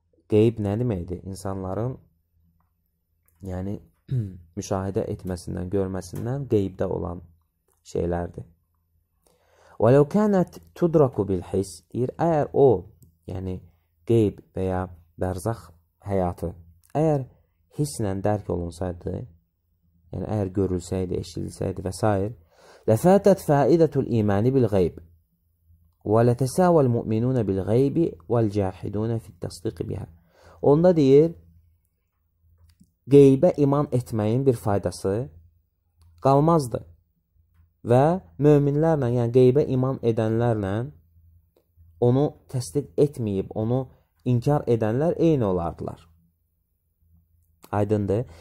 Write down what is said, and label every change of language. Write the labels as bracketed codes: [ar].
[az] Qeyb nə deməkdir? İnsanların, yəni, müşahidə etməsindən, görməsindən qeybdə olan şeylərdir. [ar] Və ləu kənət tudraku bil his, [az] deyir, əgər o, yəni, qeyb və ya bərzax həyatı, əgər hisslə dərk olunsaydı, yəni, əgər görülsəydi, eşidilsəydi və s. [ar] لفاتت فائدة الإيمان بالغيب ولتساوى المؤمنون بالغيب والجاحدون في التصديق بها. [az] Onda deyir, qeybə iman etməyin bir faydası qalmazdı və möminlərlə, yəni qeybə iman edənlərlə onu təsdiq etməyib, onu inkar edənlər eyni olardılar. Aydındır.